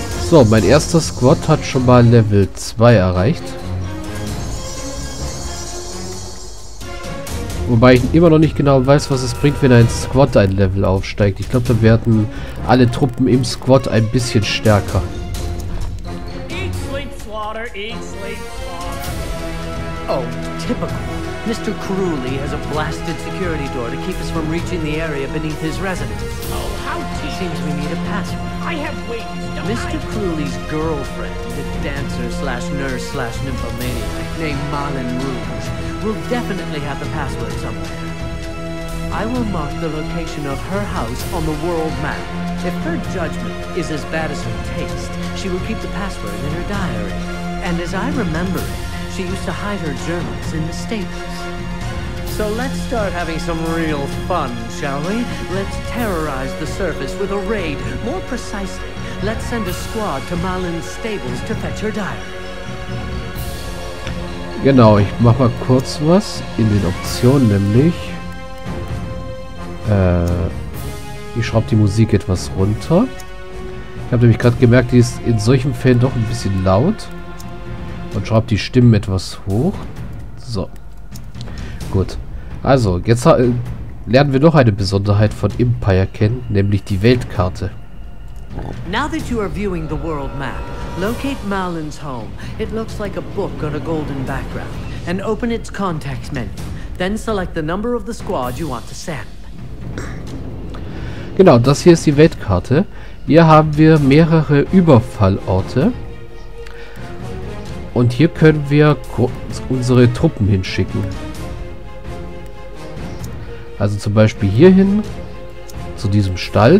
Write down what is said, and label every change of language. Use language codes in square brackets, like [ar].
[de] So, mein erster Squad hat schon mal Level 2 erreicht. Wobei ich immer noch nicht genau weiß, was es bringt, wenn ein Squad ein Level aufsteigt. Ich glaube, da werden alle Truppen im Squad ein bisschen stärker. [en] Eat sleep slaughter, eat sleep slaughter. Oh, typical. Mr. Crowley has a blasted security door to keep us from reaching the area beneath his residence. Oh, how tea. Seems we need a password. I have wings. Mr. Crowley's girlfriend, the dancer slash nurse slash nymphomaniac named Malin Rouge, will definitely have the password somewhere. I will mark the location of her house on the world map. If her judgment is as bad as her taste, she will keep the password in her diary. And as I remember it, she used to hide her journals in the stables. So let's start having some real fun, shall we? Let's terrorize the surface with a raid. More precisely, let's send a squad to Malin's stables to fetch her diary. [de] Genau, ich mach mal kurz was in den Optionen, nämlich ich schraube die Musik etwas runter. Ich habe nämlich gerade gemerkt, die ist in solchen Fällen doch ein bisschen laut. Und schraube die Stimmen etwas hoch. So. Gut. Also, jetzt lernen wir noch eine Besonderheit von Empire kennen, nämlich die Weltkarte. [en] Now that you are viewing the world map, locate Malin's home. It looks like a book on a golden background. And open its context menu. Then select the number of the squad you want to send. [de] Genau, das hier ist die Weltkarte. Hier haben wir mehrere Überfallorte. Und hier können wir unsere Truppen hinschicken. Also zum Beispiel hierhin, zu diesem Stall.